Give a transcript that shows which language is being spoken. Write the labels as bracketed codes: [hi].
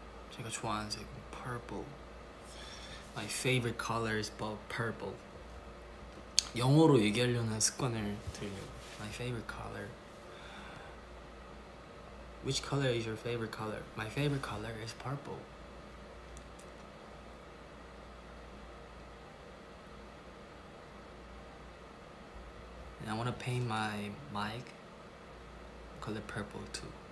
[ko] 제가 좋아하는 색은 purple. [en] My favorite color is purple. [ko] 영어로 얘기하려는 습관을 들려고. [en] My favorite color. Which color is your favorite color? My favorite color is purple. And I want to paint my mic color purple too.